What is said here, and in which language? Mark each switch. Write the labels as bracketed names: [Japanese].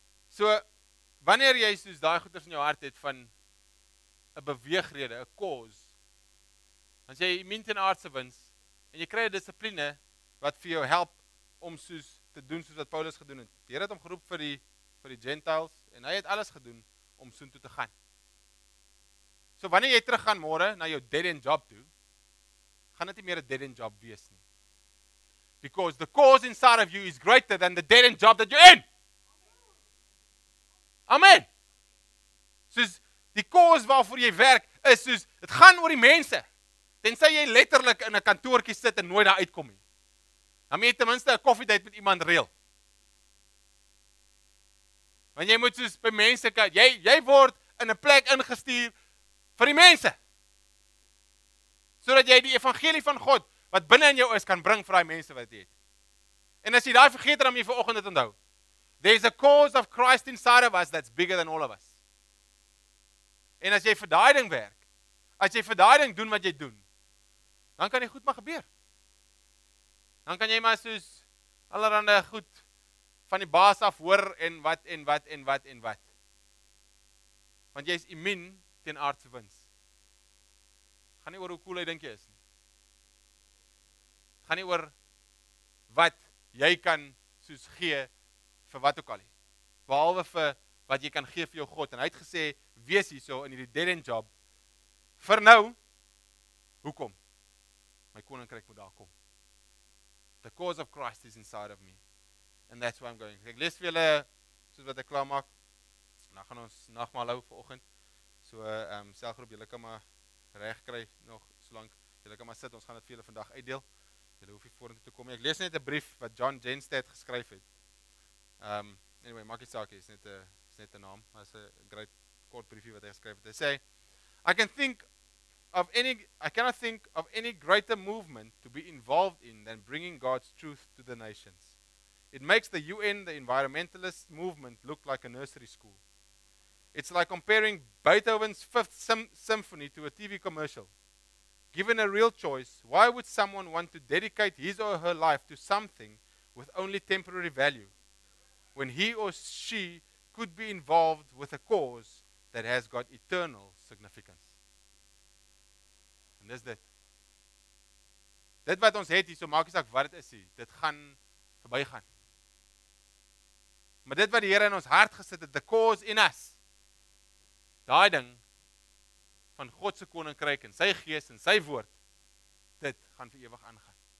[Afrikaans] So, wanneer jy soos daai goeders in jou hart het van 'n beweegrede, 'n cause, dan jy immuun teen aardse wins, en jy kry 'n dissipline wat vir jou help om soos te doen soos wat Paulus gedoen het. Die Here het hom geroep vir die Gentiles, en hy het alles gedoen om soontoe te gaan. So wanneer jy terug gaan môre na jou dead-end job toe, gaan dit nie meer 'n dead-end job wees nie. [English] Because the cause inside of you is greater than the dead-end job that you're in. [Afrikaans] Amen. Soos die cause waarvoor jy werk is soos, dit gaan oor die mense. Tensy jy letterlik in 'n kantoortjie sit en nooit daar uitkom nie. Dan moet jy ten minste 'n koffiedייט met iemand reël. Want jy moet soos by mense kan, jy word in 'n plek ingestuur vir die mense. Sodat jy die evangelie van God, wat binne in jou is, kan bring vir daai mense wat jy het. En as jy daai vergeet, dan jy vir oggend dit onthou. [English] There's a cause of Christ inside of us that's bigger than all of us. [Afrikaans] En as jy vir daai ding werk, as jy vir daai ding doen wat jy doen, dan kan jy goed maar gebeur. Dan kan jy maar soos allerhande goed van die baas af hoor en wat en wat en wat en wat. Want jy is immuun teen aardse wins. Het gaan nie oor hoe cool hy dink jy is nie. Het gaan nie oor wat jy kan soos gee vir wat ook al nie. Behalwe vir wat jy kan gee vir jou God. En hy het gesê, wees hier so in die dead-end job, vir nou, hoekom? My koninkryk moet daar kom. [English] The cause of Christ is inside of me. And that's where I'm going. [Afrikaans] Ek lees vir julle, soos wat ek klaar maak, nou gaan ons nagmaal hou vir oggend. So, selgroep, julle kan maar reg kry nog, solank julle kan maar sit, ons gaan dit vir julle vandag uitdeel. Julle hoef nie vorentoe te kom. Ek lees net 'n brief wat John Jenstedt geskryf het. Anyway, maak nie saak, is net 'n naam, maar is 'n great kort briefie wat hy geskryf het. Hy sê, [English] I cannot think of any greater movement to be involved in than bringing God's truth to the nations. It makes the UN, the environmentalist movement, look like a nursery school. It's like comparing Beethoven's Fifth Symphony to a TV commercial. Given a real choice, why would someone want to dedicate his or her life to something with only temporary value, when he or she could be involved with a cause that has got eternal significance? [Afrikaans] Dis dit. Dit wat ons het hier, so maak nie saak wat dit is hier, dit gaan verbygaan. Maar dit wat die Here in ons hart gesit het, [English] the cause in us, [Afrikaans] daai ding van God se koninkryk en sy gees en sy woord, dit gaan vir ewig aangaan.